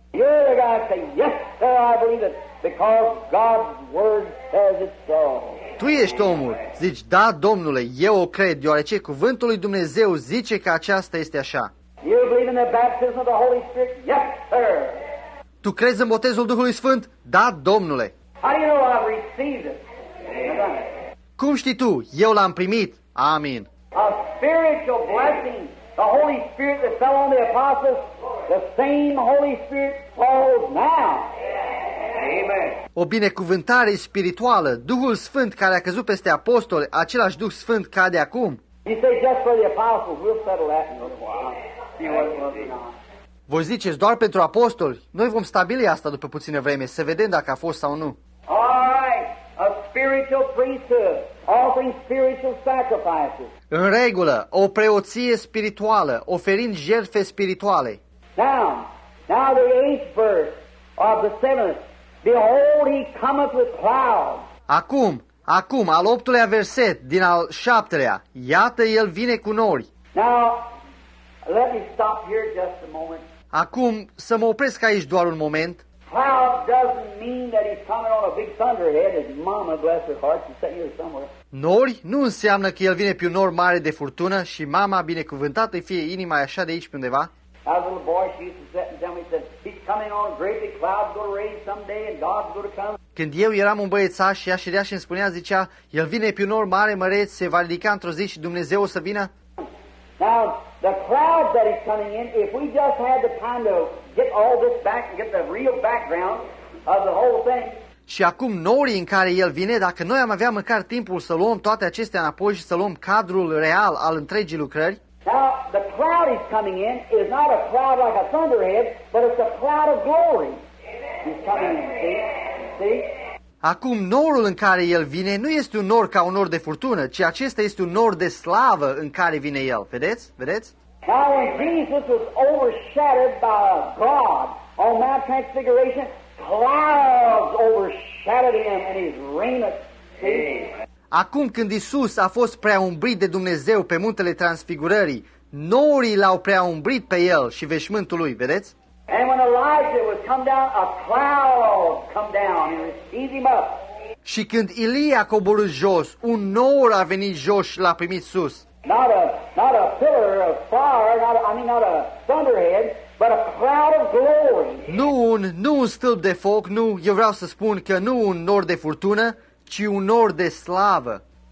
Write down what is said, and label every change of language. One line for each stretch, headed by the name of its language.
English: You're the guy to say, yes, sir, I believe it, because God's word says it so.
Romanian: Tu ești omul. Zici, da, Domnule, eu o cred, deoarece cuvântul lui Dumnezeu zice că aceasta este așa.
English: You believe in the baptism of the Holy Spirit? Yes, sir.
Romanian: Tu crezi în botezul Duhului Sfânt? Da, Domnule.
English: How do you know I've received it? Amen.
Romanian: Cum știi tu? Eu l-am primit. Amin.
English: A spiritual blessing. The Holy Spirit that fell on the apostles, the same Holy Spirit falls now. Amen.
Romanian: O binecuvântare spirituală, Duhul Sfânt care a căzut peste apostoli, același Duh Sfânt cade acum.
English: You say just for the apostles, we'll settle that in a while.
Romanian: Voi ziceți doar pentru apostoli? Noi vom stabili asta după puțină vreme, să vedem dacă a fost sau nu.
English: Alright, a spiritual priesthood, offering spiritual sacrifices.
Romanian: În regulă, o preoție spirituală, oferind jertfe spirituale.
English: Now the eighth verse of the seventh. Behold, he cometh with clouds.
Romanian: Acum, al optulea verset din al șaptelea. Iată, el vine cu nori.
English: Now, let me stop here just a moment.
Romanian: Acum, să mă opresc aici doar un moment.
English: Cloud doesn't mean that he's coming on a big thunderhead, as mama, bless her heart, she sent you somewhere.
Romanian: Nori nu înseamnă că el vine pe un nor mare de furtună și mama, binecuvântată fie inima așa de aici pe undeva.
English: As a little boy, she used to sit and tell me, she said, he's coming on a great big cloud, going to rain someday and God's going to come.
Romanian: Când eu eram un băiețaș și ea ședea și îmi spunea, zicea, el vine pe un nor mare, măreț, se va ridica într-o zi și Dumnezeu o să vină.
English: Now, the cloud that is coming in, if we just had the time to get all this back and get the real background of the whole thing.
Romanian: Și acum norii în care el vine, dacă noi am avea măcar timpul să luăm toate acestea înapoi și să luăm cadrul real al întregii lucrări.
English: Now, the cloud is coming in, is not a cloud like a thunderhead, but it's a cloud of glory. He's coming in, see?
Romanian: Acum norul în care el vine nu este un nor ca un nor de furtună, ci acesta este un nor de slavă în care vine el. Vedeți? Vedeți?
English: Now when Jesus was overshadowed by God on Mount Transfiguration, clouds overshadowed him and his raiment.
Romanian: Acum când Iisus a fost preaumbrit de Dumnezeu pe muntele Transfigurării, norii l-au preaumbrit pe el și veșmântul lui. Vedeți?
English: And when Elijah was come down, a cloud come down and received him up.
Romanian: Și când Ilie a coborât jos, un nor a venit jos și l-a primit sus.
English: Not a pillar of fire, not a thunderhead, but a cloud of glory.
Romanian: Nu un stâlp de foc, nu, eu vreau să spun că nu un nor de furtună, ci un nor de slavă.